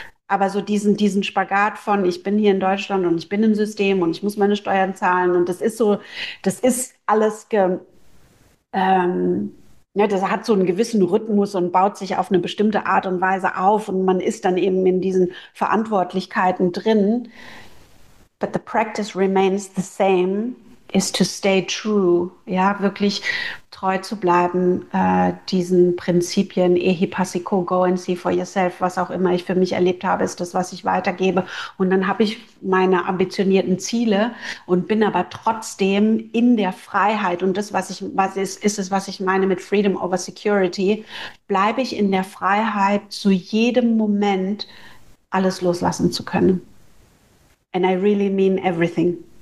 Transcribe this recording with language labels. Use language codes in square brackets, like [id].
[de] aber so diesen Spagat von, ich bin hier in Deutschland und ich bin im System und ich muss meine Steuern zahlen, und das ist so, das ist alles, ja, das hat so einen gewissen Rhythmus und baut sich auf eine bestimmte Art und Weise auf, und man ist dann eben in diesen Verantwortlichkeiten drin. [en] But the practice remains the same, is to stay true. [de] Ja, wirklich treu zu bleiben, diesen Prinzipien, ehi passiko, [en] go and see for yourself, [de] was auch immer ich für mich erlebt habe, ist das, was ich weitergebe. Und dann habe ich meine ambitionierten Ziele und bin aber trotzdem in der Freiheit. Und das, ist es, was ich meine mit [en] Freedom over Security, [de] bleibe ich in der Freiheit, zu jedem Moment alles loslassen zu können. [en] And I really mean everything.